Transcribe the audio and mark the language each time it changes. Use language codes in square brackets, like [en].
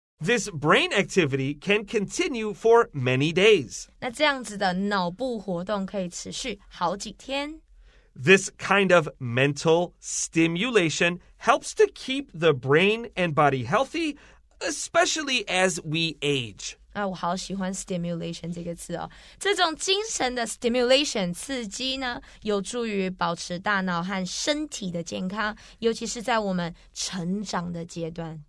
[en] This brain activity can continue for many days. [zh] 那这样子的脑部活动可以持续好几天。 [en] This kind of mental stimulation helps to keep the brain and body healthy,especially as we age. [zh] 我好喜欢 stimulation 这个字哦。这种精神的 stimulation 刺激呢，有助于保持大脑和身体的健康，尤其是在我们成长的阶段。